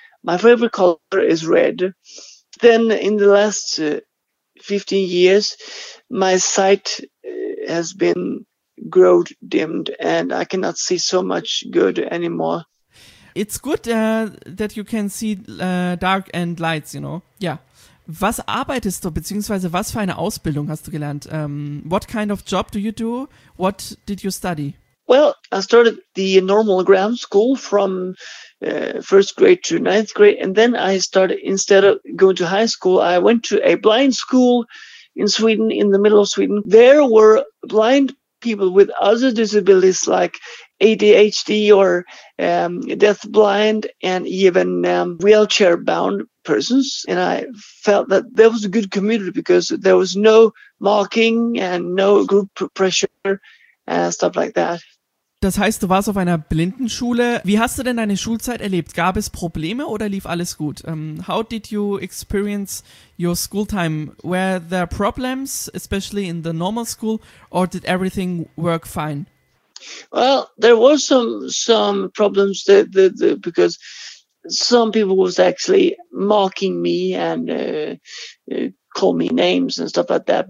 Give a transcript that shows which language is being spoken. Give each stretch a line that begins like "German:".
English: My favorite color is red. Then in the last 15 years, my sight has been growed dimmed, and I cannot see so much good anymore. It's good that you can see dark and lights, you know. Yeah.
German: Was arbeitest du, beziehungsweise was für eine Ausbildung hast du gelernt?
English: What kind of job do you do? What did you study? Well, I started the normal grammar school from first grade to ninth grade. And then I started, instead of going to high school, I went to a blind school in Sweden, in the middle of Sweden. There were blind people with other disabilities like ADHD or deaf blind and even wheelchair bound persons, and I felt that there was a good community because there was no mocking and no group pressure and stuff like that.
German: Das heißt, du warst auf einer Blindenschule. Wie hast du denn deine Schulzeit erlebt? Gab es Probleme oder lief alles gut?
English: How did you experience your school time? Were there problems, especially in the normal school, or did everything work fine? Well, there were some problems because some people was actually mocking me and call me names and stuff like that.